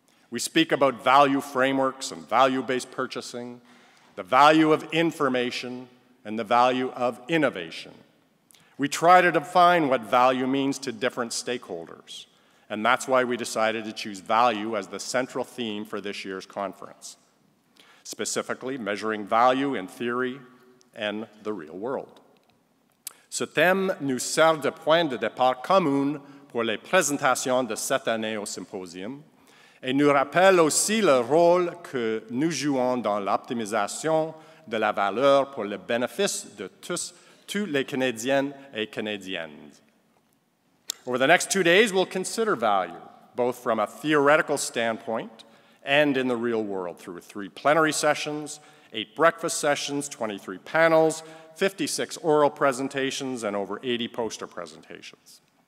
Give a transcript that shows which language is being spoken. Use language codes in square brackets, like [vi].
[en] We speak about value frameworks and value-based purchasing, the value of information, and the value of innovation. We try to define what value means to different stakeholders, and that's why we decided to choose value as the central theme for this year's conference, specifically measuring value in theory and the real world. [fr] Ce thème nous sert de point de départ commun pour les présentations de cette année au symposium et nous rappelle aussi le rôle que nous jouons dans l'optimisation de la valeur pour le bénéfice de tous les Canadiens et Canadiennes. [en] Over the next 2 days, we'll consider value, both from a theoretical standpoint and in the real world, through 3 plenary sessions, 8 breakfast sessions, 23 panels, 56 oral presentations, and over 80 poster presentations.